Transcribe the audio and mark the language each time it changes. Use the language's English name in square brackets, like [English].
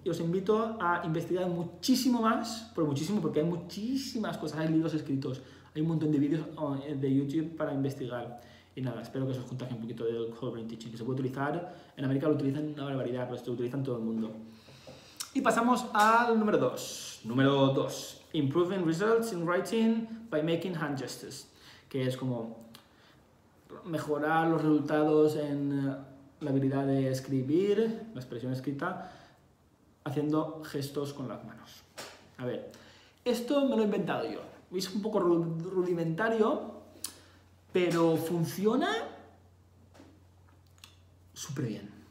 [Spanish] Y os invito a investigar muchísimo más, pero muchísimo, porque hay muchísimas cosas, hay libros escritos, hay un montón de vídeos de YouTube para investigar. Y nada, espero que eso os contagie un poquito del Whole Brain Teaching, que se puede utilizar, en América lo utilizan una barbaridad, pero se utiliza en todo el mundo. Y pasamos al número 2. Número 2. [English] Improving results in writing by making hand gestures. [Spanish] Que es como mejorar los resultados en la habilidad de escribir, la expresión escrita, haciendo gestos con las manos. A ver, esto me lo he inventado yo. Es un poco rudimentario, pero funciona súper bien.